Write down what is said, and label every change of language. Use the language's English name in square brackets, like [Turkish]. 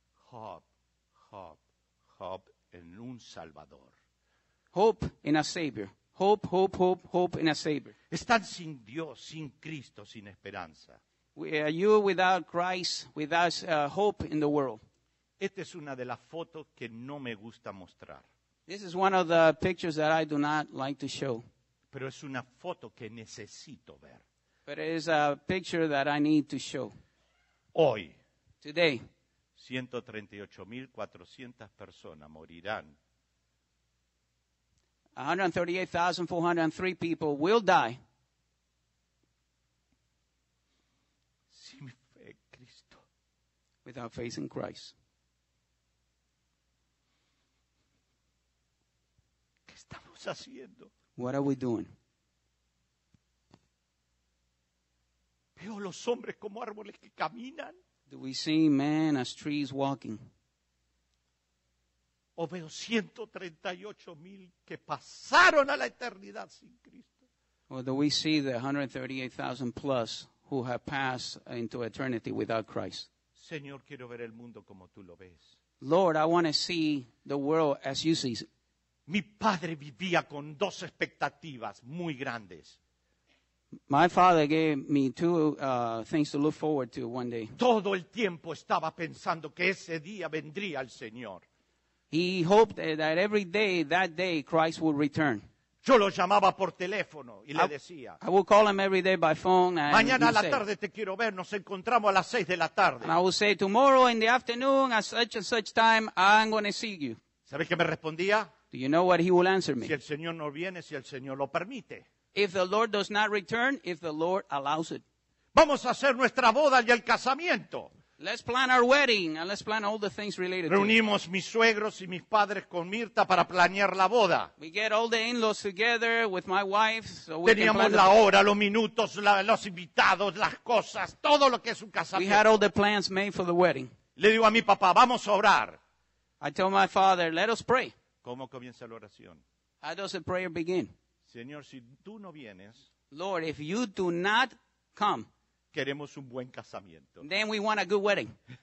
[English] Hope, hope, hope [Spanish] en un Salvador. [English] Hope in a Savior. Hope, hope, hope, hope in a Savior. [Spanish] Están sin Dios, sin Cristo, sin esperanza. [English] You without Christ, without hope in the world. [Spanish] Esta es una de las fotos que no me gusta mostrar. [English] This is one of the pictures that I do not like to show. [Spanish] Pero es una foto que necesito ver. [English] But it is a picture that I need to show. [Spanish] Hoy. [English] Today. [Spanish] 138,400 personas morirán. [English] 138,403 people will die. [Spanish] Sin fe en Cristo. [English] Without faith in Christ. [Spanish] ¿Qué estamos haciendo? [English] What are we doing? [Spanish] Veo los hombres como árboles que caminan. [English] Do we see men as trees walking? [Spanish] O veo 138,000 que pasaron a la eternidad sin Cristo. [English] Or do we see the 138,000 plus who have passed into eternity without Christ? [Spanish] Señor, quiero ver el mundo como tú lo ves. [English] Lord, I want to see the world as you see it. [Spanish] Mi padre vivía con dos expectativas muy grandes. [English] My father gave me two things to look forward to one day. [Spanish] Todo el tiempo estaba pensando que ese día vendría el Señor. [English] He hoped that every day, that day, Christ would return. [Spanish] Yo lo llamaba por teléfono y le decía. [English] I would call him every day by phone. And [Spanish] mañana a la tarde te quiero ver. Nos encontramos a las 6 de la tarde. [English] And I would say, tomorrow in the afternoon, at such and such time, I'm going to see you. [Spanish] ¿Sabes qué me respondía? [English] Do you know what he will answer me? [Spanish] Si el Señor no viene, si el Señor lo permite. [English] If the Lord does not return, if the Lord allows it. [Spanish] Vamos a hacer nuestra boda y el casamiento. [English] Let's plan our wedding and let's plan all the things related [Spanish] Reunimos mis suegros y mis padres con Mirta para planear la boda. [English] We get all the in-laws together with my wife. So we [Spanish] Teníamos [English] can plan [Spanish] la hora, los minutos, los invitados, las cosas, todo lo que es un casamiento. [English] We had all the plans made for the wedding. [Spanish] Le digo a mi papá, vamos a orar. [English] I tell my father, let us pray. [Spanish] ¿Cómo comienza la oración? [English] How does the prayer begin? [Spanish] Señor, si tú no vienes, [English] Lord, if you do not come, [Spanish] queremos un buen casamiento. [English] Then we want a good wedding.